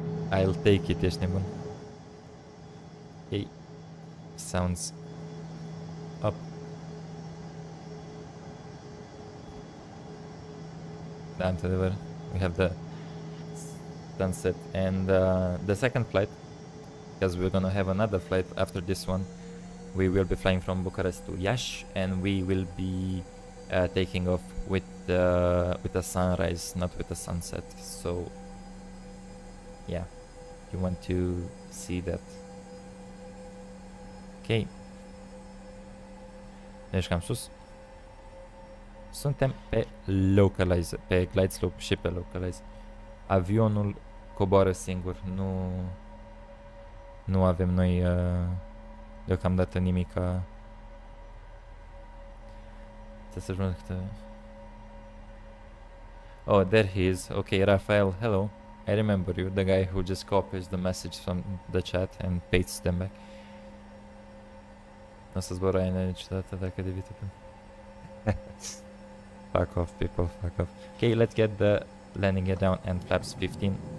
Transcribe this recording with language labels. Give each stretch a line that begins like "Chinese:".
English: I'll take it,
Romanian: ești nebun.
English: Hey, sounds up.
Romanian: Da, într-adevăr,
English: we have the sunset. And the second flight, because we're gonna have another flight after this one, we will be flying from Bucharest to Iași, and we will be taking off with a sunrise, not with a sunset. So yeah, you want to see that.
Romanian: Okay, deci cam sus suntem pe localizer, pe glide slope și pe localizer. Avionul coboară singur, nu avem noi deocamdată nimica.
English: Oh, there he is. Okay, Rafael, hello. I remember you, the guy who just copies the message from the chat and pastes them back.
Romanian: N-o să zbor aia niciodată dacă devii tăpân.
English: Fuck off, people, fuck off. Okay, let's get the landing gear down and flaps 15.